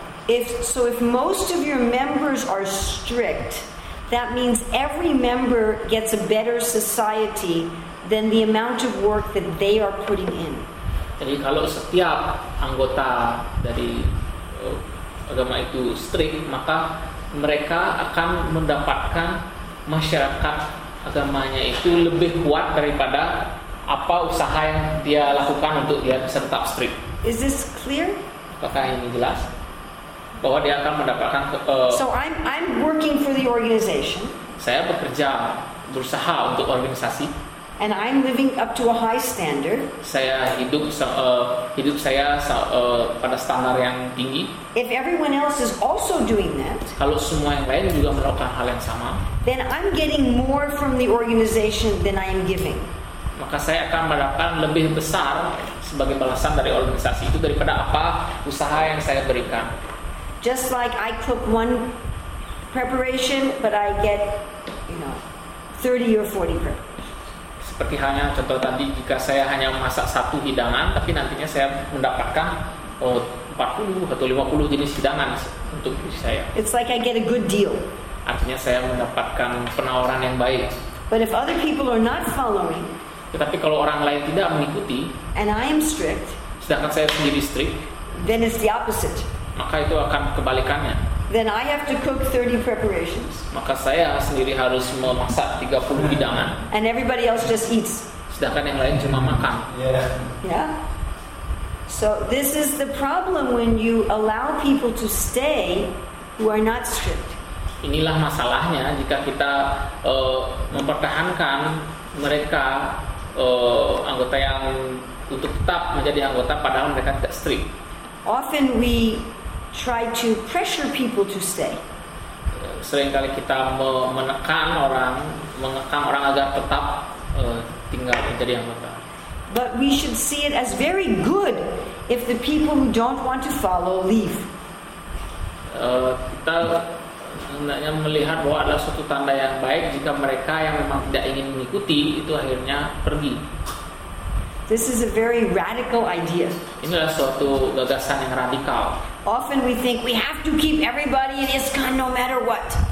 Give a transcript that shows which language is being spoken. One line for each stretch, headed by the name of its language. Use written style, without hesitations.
English: If most of your members are strict, that means every member gets a better society than the amount of work that they are putting in.
Indonesian: Jadi kalau setiap anggota dari agama itu strict, maka mereka akan mendapatkan masyarakat agamanya itu lebih kuat daripada apa usaha yang dia lakukan untuk dia bisa tetap strict.
English: Is this clear?
Indonesian: Apakah ini jelas? Bahwa dia akan mendapatkan
English: So I'm working for the organization.
Indonesian: Saya bekerja berusaha untuk organisasi.
English: And I'm living up to a high standard.
Indonesian: Saya hidup saya pada standar yang tinggi.
English: If everyone else is also doing that,
Indonesian: kalau semua yang lain juga melakukan hal yang sama,
English: then I'm getting more from the organization than I am giving.
Indonesian: Maka saya akan mendapatkan lebih besar sebagai balasan dari organisasi itu daripada apa usaha yang saya berikan.
English: Just like I cook one preparation, but I get, 30 or 40 preparations.
Indonesian: Seperti hanya contoh tadi, jika saya hanya memasak satu hidangan, tapi nantinya saya mendapatkan 40 atau 50 jenis hidangan untuk saya.
English: It's like I get a good deal.
Indonesian: Artinya saya mendapatkan penawaran yang baik.
English: But if other people are not following,
Indonesian: tetapi kalau orang lain tidak mengikuti,
English: and I am strict,
Indonesian: sedangkan saya sendiri strict,
English: then it's the opposite.
Indonesian: Maka itu akan kebalikannya.
English: Then I have to cook 30 preparations.
Indonesian: Maka saya sendiri harus memasak 30 hidangan.
English: And everybody else just eats.
Indonesian: Sedangkan yang lain cuma makan.
English: Yeah. So this is the problem when you allow people to stay who are not strict.
Indonesian: inilah masalahnya jika kita mempertahankan mereka anggota yang untuk tetap menjadi anggota padahal mereka tidak strip.
English: Often we try to pressure people to stay.
Indonesian: Seringkali kita menekan orang, mengekang orang agar tetap tinggal menjadi anggota.
English: But we should see it as very good if the people who don't want to follow leave.
Indonesian: Kita hendaknya melihat bahwa ada suatu tanda yang baik jika mereka yang memang tidak ingin mengikuti itu akhirnya pergi.
English: This is a very radical idea.
Indonesian: Ini adalah suatu gagasan yang radikal.
English: Often we think we have to keep everybody in ISKCON no matter what.